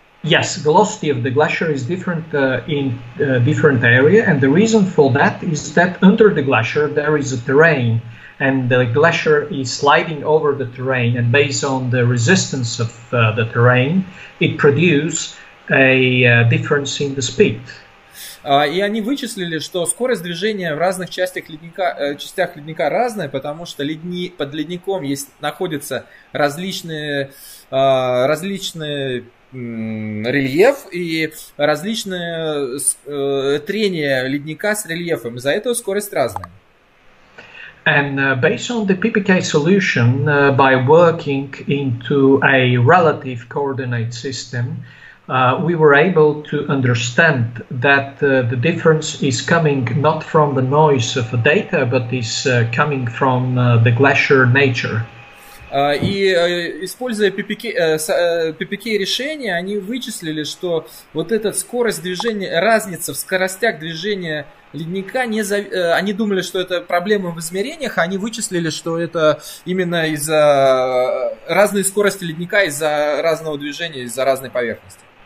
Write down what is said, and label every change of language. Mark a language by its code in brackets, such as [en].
[en] Yes, velocity of the glacier is different in a different area, and the reason for that is that under the glacier there is a terrain, and the glacier is sliding over the terrain, and based on the resistance of the terrain, it produces a difference in the speed. [ru] И они вычислили, что скорость движения в разных частях ледника разная, потому что под ледником находятся различные рельеф и различные трения ледника с рельефом. Из-за этого скорость разная. [en] And based on the PPK solution, by working into a relative coordinate system, we were able to understand that the difference is coming not from the noise of the data, but is coming from the glacier nature. [ru] И используя PPK решение, они вычислили, что вот эта скорость движения, разница в скоростях движения ледника, они думали, что это проблема в измерениях, а они вычислили, что это именно из-за разной скорости ледника, из-за разного движения, из-за разной поверхности.